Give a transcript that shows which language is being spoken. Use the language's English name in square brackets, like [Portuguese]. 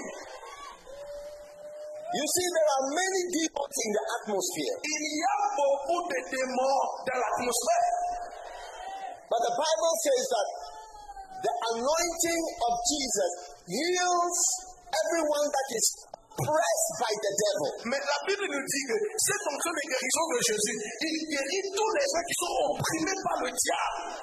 [English] You see, there are many demons in the atmosphere. [French] Il y a beaucoup de démons dans l'atmosphère. [English] But the Bible says that the anointing of Jesus heals everyone that is pressed by the devil. [French] Mais la Bible nous dit que cette onction de guérison de Jésus, il guérit tous les gens qui sont opprimés par le diable.